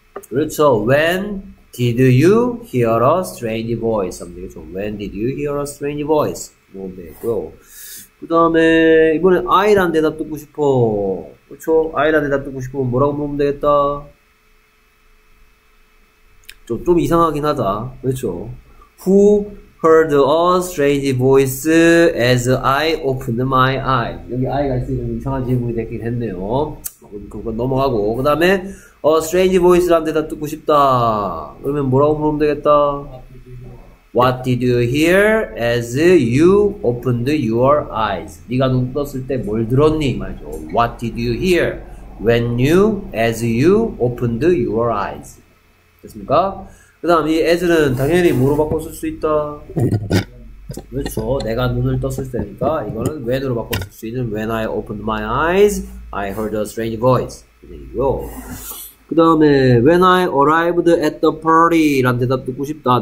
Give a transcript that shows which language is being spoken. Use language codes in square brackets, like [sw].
[ko] 그렇죠. [en] When did you hear a strange voice? [ko] 하면 되겠죠. [en] When did you hear a strange voice? [ko] 물으면 되겠고요. 그 다음에, 이번에 I란 대답 듣고 싶어. 그렇죠? I란 대답 듣고 싶으면 뭐라고 물으면 되겠다? 좀 이상하긴 하다. 그렇죠? [en] Who heard a strange voice as I opened my eyes? [ko] 여기 I가 있으니까 이상한 질문이 됐긴 했네요. 그건 넘어가고. 그 다음에, [en] a strange voice [ko] 란 대답 듣고 싶다. 그러면 뭐라고 물으면 되겠다? [en] What did you hear as you opened your eyes? [ko] 네가 눈 떴을 때뭘 들었니? 말이죠. [en] What did you hear when you, as you opened your eyes? [ko] 됐습니까? 그 다음 이 as는 당연히 뭐로 바꿔 쓸수 있다. 그렇죠. 내가 눈을 떴을 때니까 이거는 when으로 바꿔 쓸수 있는 [en] when I opened my eyes, I heard a strange voice. [ko] 이거. 그 다음에 [en] when I arrived at the party [ko] 라는 대답 듣고 싶다.